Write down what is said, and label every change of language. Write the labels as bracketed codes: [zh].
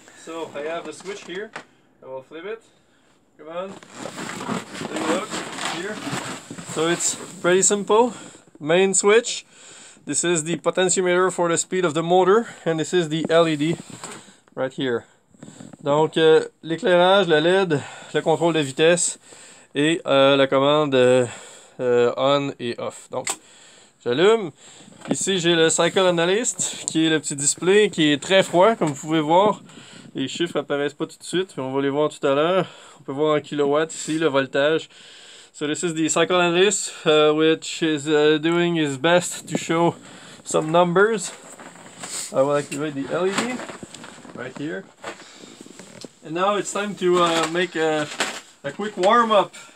[en] So, I have the switch here, I will flip it. Come on, take a look here. So it's pretty simple, main switch. This is the potentiometer for the speed of the motor, and this is the LED right here. [fr] Donc, l'éclairage, la LED, le contrôle de vitesse et la commande on et off. Donc, j'allume. Ici, j'ai le cycle analyst qui est le petit display qui est très froid, comme vous pouvez voir. Les chiffres apparaissent pas tout de suite, mais on va les voir tout à l'heure. On peut voir en kilowatts ici le voltage. [en] So, this is the cycle analyst which is doing his best to show some numbers. I will activate the LED right here. And now it's time to make a quick warm-up.